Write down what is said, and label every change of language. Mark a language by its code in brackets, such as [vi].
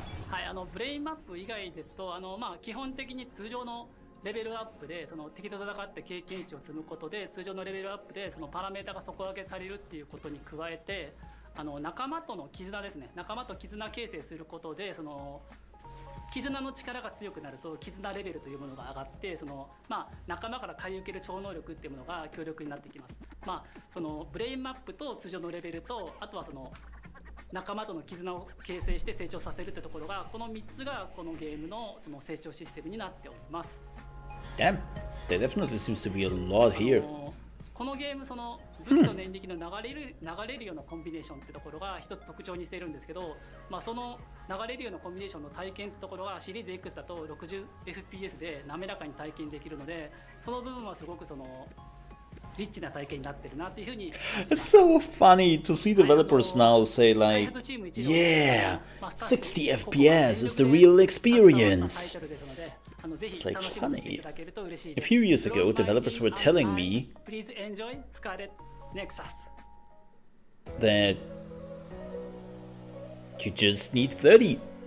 [ja] はい、ブレインマップ以外ですと基本的に通常のレベルアップでその敵と戦って経験値を積むことで通常のレベルアップでそのパラメータが底上げされるっていうことに加えて仲間との絆ですね、仲間と絆形成することでその絆の力が強くなると絆レベルというものが上がってその仲間から買い受ける超能力っていうものが強力になってきます。そのブレインマップと通常のレベルとあとはその仲間との絆を形成して成長させるってところがこの3つがこのゲームのその成長システムになっております。 [en] Damn, there definitely seems to be a lot here. [ja] このゲームその武器と念力の流れるようなコンビネーションってところが一つ特徴にしているんですけど、その流れるようなコンビネーションの体験ってところがシリーズ X だと 60fps で滑らかに体験できるので、その部分はすごくそのリッチな体験になってるなっていうふうに。 [en] It's so funny to see developers now say like, yeah, 60fps is the real experience. It's like funny. A few years ago, developers were telling me that you just need 30.